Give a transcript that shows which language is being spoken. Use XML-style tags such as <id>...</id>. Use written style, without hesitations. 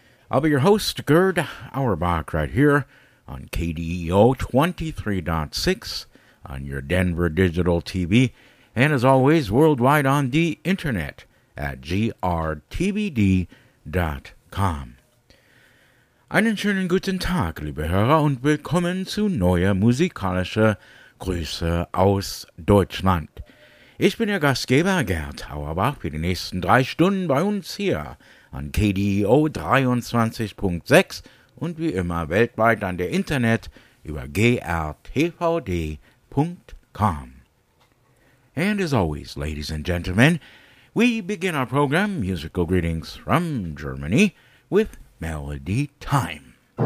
<en>I'll be your host, Gerd Auerbach, right here on KDEO 23.6 on your Denver Digital TV, and as always, worldwide on the internet at grtbd.com.</en> <de>Einen schönen guten Tag, liebe Hörer, und willkommen zu neuer musikalischer Grüße aus Deutschland. Ich bin Ihr Gastgeber Gerd Auerbach für die nächsten 3 Stunden bei uns hier an KDEO 23.6 und wie immer weltweit an der Internet über grtvd.com.</de> <en>And as always, ladies and gentlemen, we begin our program, Musical Greetings from Germany, with Melody Time.</en>